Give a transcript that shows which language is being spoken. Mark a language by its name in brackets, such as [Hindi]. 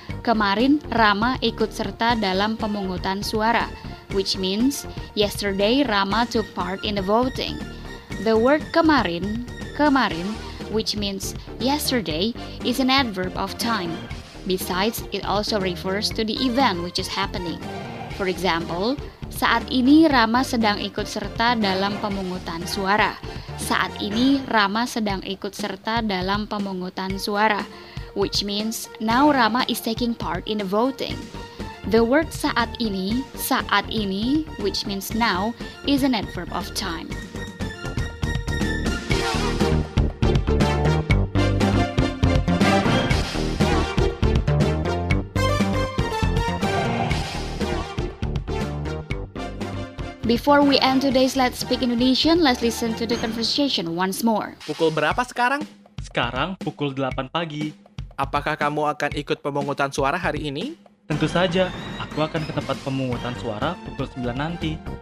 [Indonesian] Kemarin Rama ikut serta dalam pemungutan suara, [English] which means yesterday Rama took part in the voting. The word kemarin, kemarin, which means yesterday, is an adverb of time. Besides, it also refers to the event which is happening. For example, [Indonesian] saat ini Rama sedang ikut serta dalam pemungutan suara. Saat ini Rama sedang ikut serta dalam pemungutan suara, [English] which means now Rama is taking part in the voting. The word saat ini, which means now, is an adverb of time. Before we end today's Let's Speak Indonesian, let's listen to the conversation once more. [Indonesian] Pukul berapa sekarang? Sekarang pukul 8 pagi. Apakah kamu akan ikut pemungutan suara hari ini? Tentu saja, aku akan ke tempat pemungutan suara pukul 9 nanti.